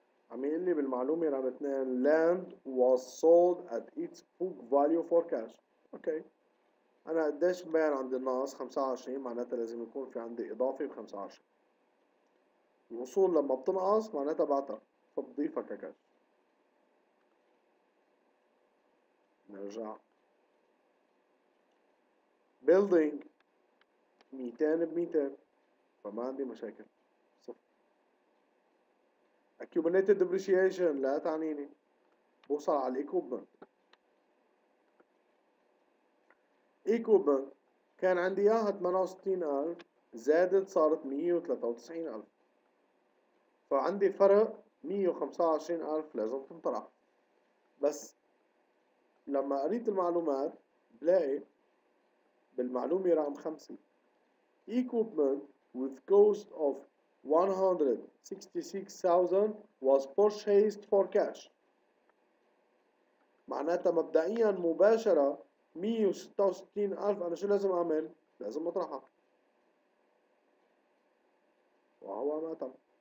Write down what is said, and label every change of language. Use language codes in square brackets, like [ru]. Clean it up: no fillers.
[ar] عم يقول لي بالمعلومة رقم 2 [en] land was sold at its book value for cash. [ar] اوكي انا قديش مبين عندي الناقص 25، معناتها لازم يكون في عندي اضافة ب 25. الوصول لما بتنقص معناتها بعتها فبضيفها ككاش. نرجع building 200 ب 200 فما عندي مشاكل. accumulated depreciation لا تعنيني، بوصل على equipment. equipment كان عندي اياها 68000 زادت صارت 193000، فعندي فرق 125000 لازم تنطرح. بس لما قريت المعلومات بلاقي بالمعلومة رقم 5 [en] equipment with cost of 166,000 was purchased for cash. [ar] معناتها مبدئيا مباشرة 166,000 انا شو لازم اعمل؟ لازم اطرحها، وهو ما تم.